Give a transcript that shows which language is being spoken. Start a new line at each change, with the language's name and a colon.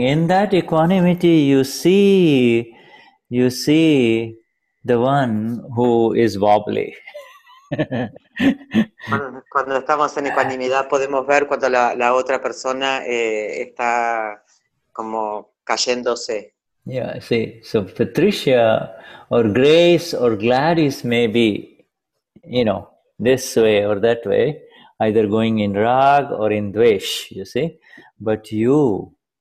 English: In that equanimity, you see the one who is wobbly.
Spanish: Cuando estamos en ecuanimidad podemos ver cuando la otra persona está como cayéndose.
English: Yeah, see, so Patricia or Grace or Gladys may be, you know, this way or that way, either going in rag or in dvesh, you see, but you